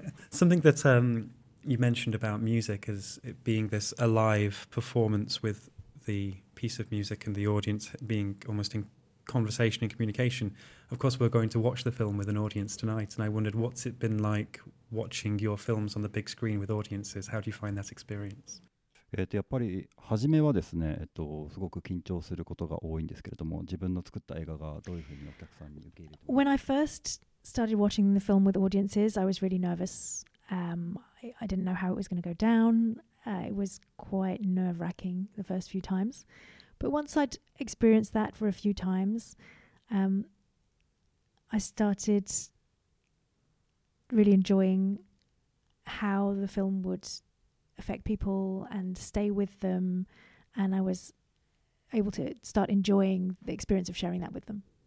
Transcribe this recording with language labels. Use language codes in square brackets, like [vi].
[en] Something that you mentioned about music is it being this alive performance with the piece of music and the audience being almost in conversation and communication. Of course, we're going to watch the film with an audience tonight, and I wondered what's it been like watching your films on the big screen with audiences? How do you find that experience? [ja] やっぱり初めはですね、すごく緊張することが多いんですけれども、自分の作った映画がどういうふうにお客さんに受け入れて。 [en] When I first started watching the film with audiences, I was really nervous. I didn't know how it was going to go down. It was quite nerve-wracking the first few times. But once I'd experienced that for a few times, I started really enjoying how the film would affect people and stay with them, and I was able to start enjoying the experience of sharing that with them.